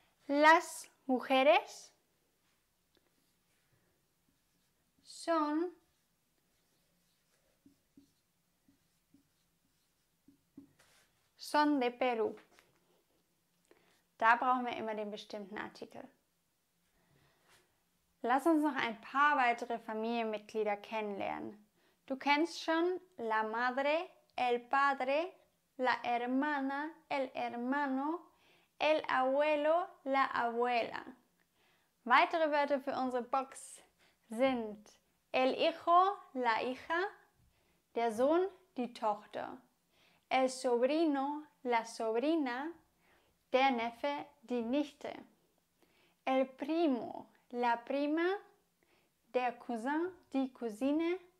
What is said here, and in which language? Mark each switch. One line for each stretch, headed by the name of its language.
Spanish: Las mujeres son de Perú.
German: Da brauchen wir immer den bestimmten Artikel. Lass uns noch ein paar weitere Familienmitglieder kennenlernen. Du kennst schon
Spanish: la madre, el padre, la hermana, el hermano, el abuelo, la abuela.
German: Weitere Wörter für unsere Box sind
Spanish: el hijo, la hija,
German: der Sohn, die Tochter.
Spanish: El sobrino, la sobrina,
German: der Neffe, die Nichte.
Spanish: El primo, la prima,
German: der Cousin, die Cousine.